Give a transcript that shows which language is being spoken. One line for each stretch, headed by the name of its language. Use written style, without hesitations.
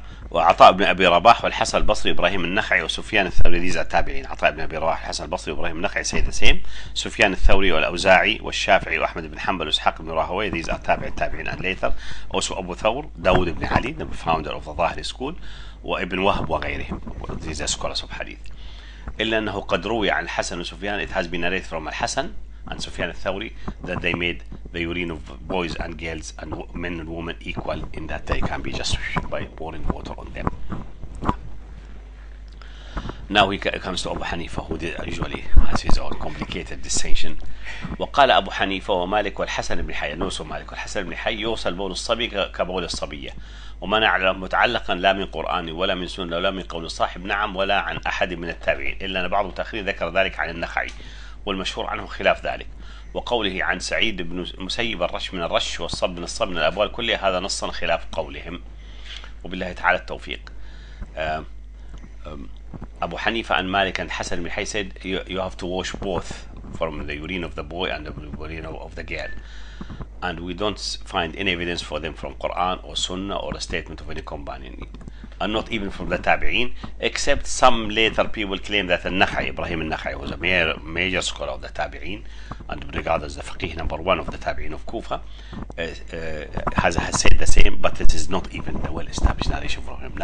Arabic: وعطاء بن أبي رباح والحسن البصري إبراهيم النخعي وسفيان الثوري ذي التابعين. عطاء بن أبي رباح والحسن البصري إبراهيم النخعي
English: say the same.
Arabic: سفيان الثوري والأوزاعي والشافعي وأحمد بن حنبل وإسحاق بن راهوية ذي التابعين
English: and later also
Arabic: أبو ثور داود بن علي
English: the founder of the Zahiri school
Arabic: وابن وهب وغيرهم
English: these are scholars of hadith.
Arabic: إلا أنه قد روي عن الحسن وسفيان
English: it has been narrated from الحسن and سفيان الثوري that they made the urine of boys and girls and men and women equal in that they can be just by pouring water on them. Now he comes to Abu Hanifa, who usually has his own complicated distinction.
Arabic: وقال أبو حنيفة ومالك والحسن بن حي نوس ومالك والحسن بن حي يوصل بول الصبي كبول الصبية وما نعلم متعلقا لا من قرآن ولا من سنة ولا من قول الصاحب نعم ولا عن أحد من التابعين إلا أن بعض المتأخرين ذكر ذلك عن النخعي والمشهور عنه خلاف ذلك وقوله عن سعيد بن مسيب الرش من الرش والصب من الصب من الأبوال كلها هذا نصا خلاف قولهم وبالله تعالى التوفيق
English: أبو حنيفة عن مالك عن حسن بن حي said you have to wash both from the urine of the boy and the urine of the girl. And we don't find any evidence for them from Quran or Sunnah or a statement of any companion. And not even from the Tabi'een, except some later people claim that al-Nakhai, Ibrahim al-Nakhai, was a major scholar of the Tabi'een and regarded as the faqih number one of the Tabi'een of Kufa, has said the same, but this is not even the well-established narration from him.